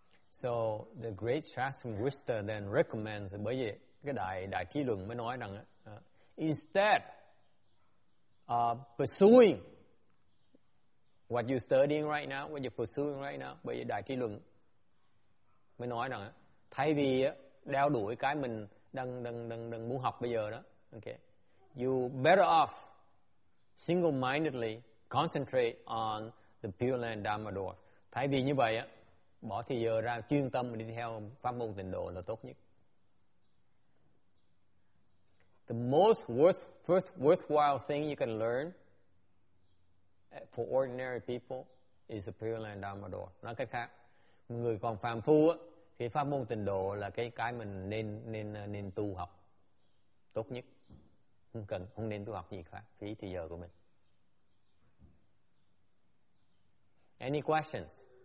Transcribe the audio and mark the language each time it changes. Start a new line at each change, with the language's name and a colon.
English: So the great Shastra Wisdom then recommends,
Vietnamese: bởi vì cái đại trí luận mới nói rằng
English: instead of pursuing what you're studying right now, what you're pursuing right now,
Vietnamese: bởi vì đại trí luận mới nói rằng thay vì đeo đuổi cái mình đang muốn học bây giờ đó,
English: okay, you better off single-mindedly concentrate on the Pure Land Dharma Door.
Vietnamese: Thay vì như vậy á, bỏ thì giờ ra chuyên tâm đi theo pháp môn tịnh độ là tốt nhất.
English: The most worthwhile thing you can learn for ordinary people is the Pure Land Dharma Door.
Vietnamese: Nói cách khác, người còn phàm phu á, thì pháp môn tịnh độ là cái mình nên tu học tốt nhất. Không nên tu học gì khác, phí thì giờ của mình.
English: Any questions?